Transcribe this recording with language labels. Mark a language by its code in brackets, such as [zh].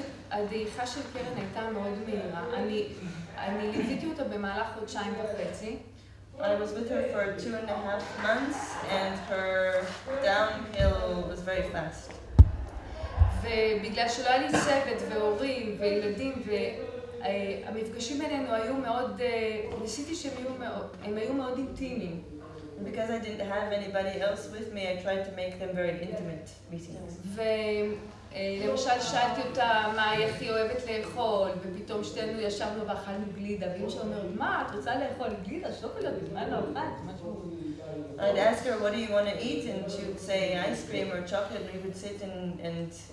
[he] הדעיכה של קרן הייתה מאוד מהירה. אני ליוויתי אותה במהלך חודשיים וחצי. [en] I was with her for 2.5 months and her downhill was very fast. [he] ובגלל שלא היה לי צוות והורים וילדים ו... המפגשים בינינו היו מאוד, ניסיתי שהם היו מאוד, הם היו מאוד אינטימיים. [en] Because I didn't have anybody else with me, I tried to make them very intimate meetings. [he] ולמשל שאלתי אותה מה היא הכי אוהבת לאכול, ופתאום שתינו ישבנו ואכלנו גלידה, ואימא שלה אומרת, מה, את רוצה לאכול גלידה? שוקולד, מה לא אוכלת? [en] I'd ask her, what do you want to eat? And she would say ice cream or chocolate, and we would sit and...